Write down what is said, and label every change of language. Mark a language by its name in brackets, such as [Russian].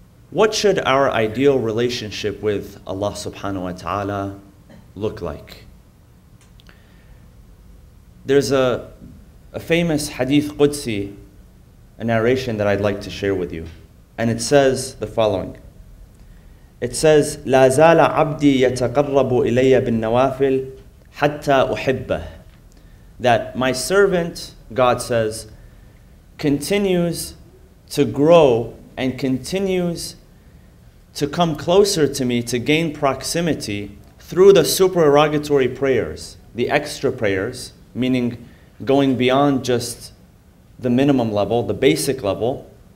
[English] What should our ideal relationship with Allah subhanahu wa ta'ala look like? There's a famous hadith Qudsi, a narration that I'd like to share with you. And it says the following. It says, [Arabic] لا زال عبدي يتقرب إلي بالنوافل حتى أحبه. [English] That my servant, God says, continues to grow and continues to come closer to me, to gain proximity through the supererogatory prayers, the extra prayers, meaning going beyond just the minimum level, the basic level.